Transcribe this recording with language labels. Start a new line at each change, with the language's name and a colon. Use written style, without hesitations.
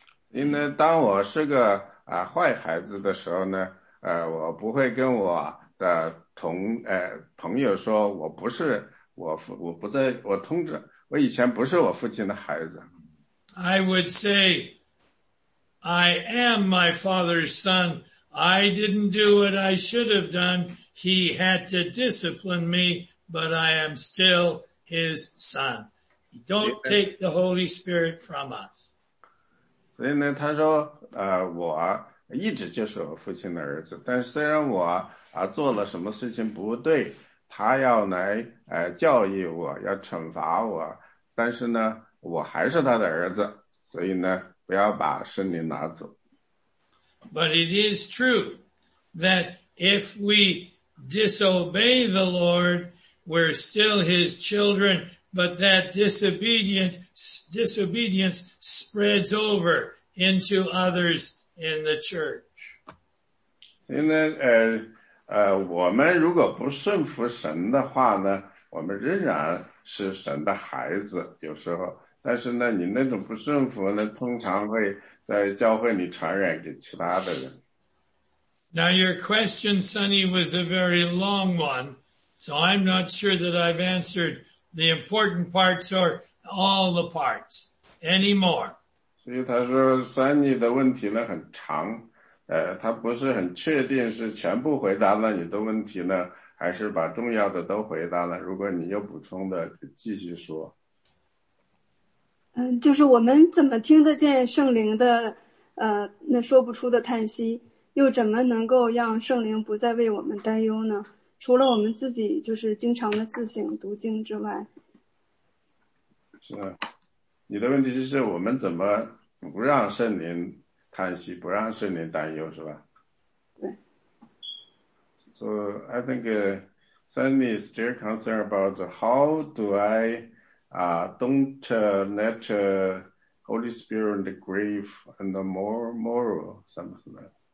Chinese: 因为当我是个坏孩子的时候呢，我不会跟我的朋友说，我以前不是我父亲的孩子。
English: I would say, I am my father's son. I didn't do what I should have done. He had to discipline me, but I am still his son. Don't take the Holy Spirit from us.
Chinese: 所以呢，他说，我一直就是我父亲的儿子，但是虽然我做了什么事情不对，他要来教育我，要惩罚我，但是呢，我还是他的儿子，所以呢，不要把圣灵拿走。
English: But it is true that if we disobey the Lord, we're still his children, but that disobedience spreads over into others in the church.
Chinese: 所以呢，我们如果不顺服神的话呢，我们仍然是神的孩子，有时候，但是呢，你那种不顺服呢，通常会在教会里传染给其他的人。
English: Now your question, Sonny, was a very long one, so I'm not sure that I've answered the important parts or all the parts anymore.
Chinese: 所以他说 ，Sonny 的问题呢很长，他不是很确定是全部回答了你的问题呢，还是把重要的都回答了。如果你有补充的，继续说。就是我们怎么听得见圣灵的那说不出的叹息，又怎么能够让圣灵不再为我们担忧呢？除了我们自己就是经常的自省读经之外。是啊，你的问题就是我们怎么不让圣灵叹息，不让圣灵担忧，是吧？
English: So I think Sandy is still concerned about how do I don't let Holy Spirit and the grief and the moral something like that.